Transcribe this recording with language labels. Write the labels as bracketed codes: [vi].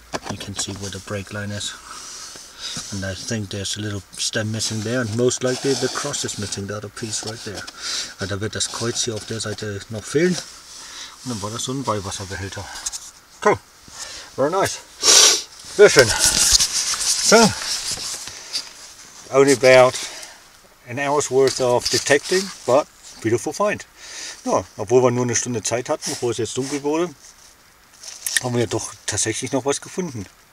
[en] You can see where the brake line is. And I think there's a little stem missing there and most likely the cross is missing, the other piece right there. [de] Und da wird das Kreuz hier auf der Seite noch fehlen. Und dann war das so ein Weihwasserbehälter. Cool, [en] very nice. [de] Sehr schön. [en] So, only about an hour's worth of detecting, but beautiful find. [de] Ja, obwohl wir nur eine Stunde Zeit hatten, bevor es jetzt dunkel wurde, haben wir ja doch tatsächlich noch was gefunden.